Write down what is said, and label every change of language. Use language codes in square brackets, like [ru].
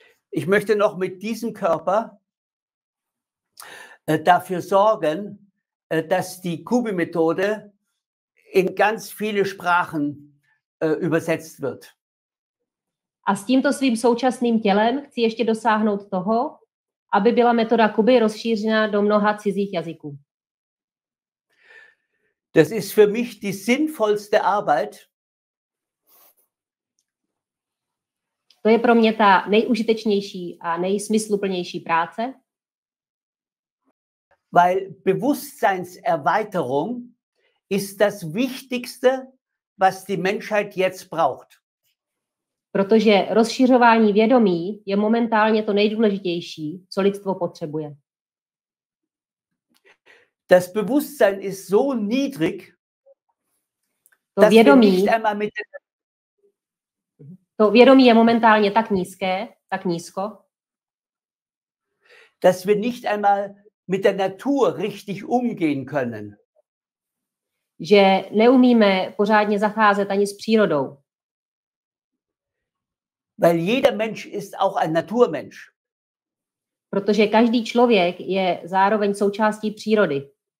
[de] ich möchte noch mit diesem Körper dafür sorgen, dass die Kubi-Methode in ganz viele Sprachen übersetzt wird. [cs] A s tímto svým současným tělem chci ještě dosáhnout toho, aby byla metoda Kubi rozšířena do mnoha cizích jazyků. [de] Das ist für mich die sinnvollste Arbeit. [cs] To je pro mě ta nejužitečnější a nejsmysluplnější práce. [de] Weil Bewusstseinserweiterung ist das Wichtigste, was die Menschheit jetzt braucht. [cs] Protože rozšiřování vědomí je momentálně to nejdůležitější, co lidstvo potřebuje. [de] Das Bewusstsein ist so niedrig, dass wir nicht einmal mit dem [cs] To vědomí je momentálně tak nízké, tak nízko, [de] dass wir nicht einmal mit der Natur richtig umgehen können. [cs] Že neumíme pořádně zacházet ani s přírodou. [de] Weil jeder Mensch ist auch ein Naturmensch. [cs] Protože každý člověk je zároveň součástí přírody.